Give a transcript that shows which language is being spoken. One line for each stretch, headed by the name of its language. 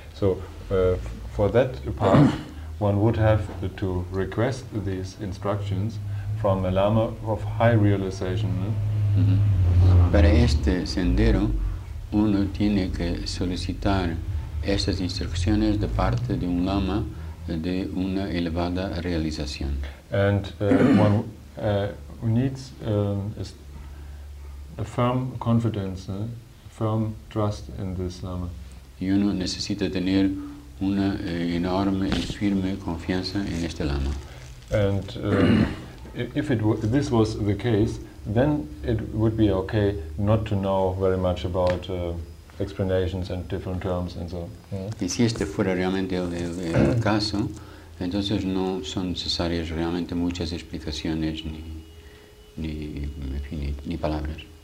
English: So for that part one would have to request these instructions from a lama of high realization.
Spanish: Para este sendero, uno tiene que solicitar estas instrucciones de parte de un lama de una elevada realización.
English: And one needs a firm confidence, a firm trust in this lama.
Spanish: y uno necesita tener una enorme y firme confianza en este lama.
English: And if this was the case, then it would be okay not to know very much about explanations and different terms and so on.
Spanish: Y si este fuera realmente el caso, entonces no son necesarias realmente muchas explicaciones ni palabras.